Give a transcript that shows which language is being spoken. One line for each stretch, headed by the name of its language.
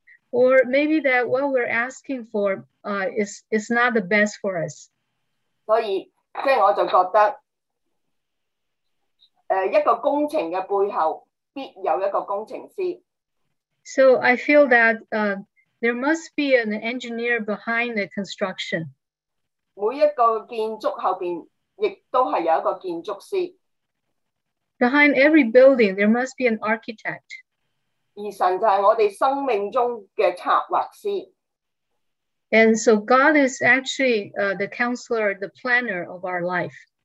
English: Or maybe that what we're asking for is not the best for us.
Chinese: 所以我就觉得一个工程的背后必有一个工程师。
English: So I feel that there must be an engineer behind the construction.
Chinese: 每一个建筑后面,
English: behind every building, there must be an architect. And so God is actually the counselor, the planner of our life.